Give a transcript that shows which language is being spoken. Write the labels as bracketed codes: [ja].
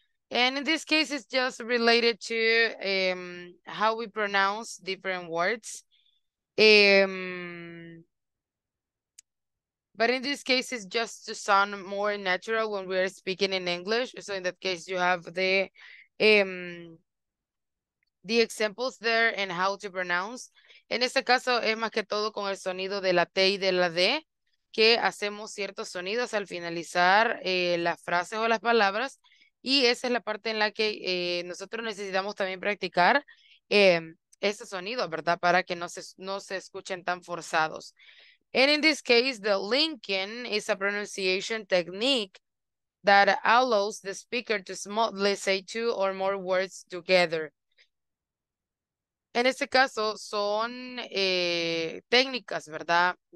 [en] And in this case, it's just related to how we pronounce different words. But in this case, it's just to sound more natural when we are speaking in English. So in that case, you have the examples there and how to pronounce. [es] En este caso, es más que todo con el sonido de la T y de la D. Que hacemos ciertos sonidos al finalizar las frases o las palabras, y esa es la parte en la que nosotros necesitamos también practicar ese sonido, ¿verdad? Para que no se escuchen tan forzados. [en] And in this case, the linking is a pronunciation technique that allows the speaker to smoothly say two or more words together. [es] En este caso, son técnicas, ¿verdad?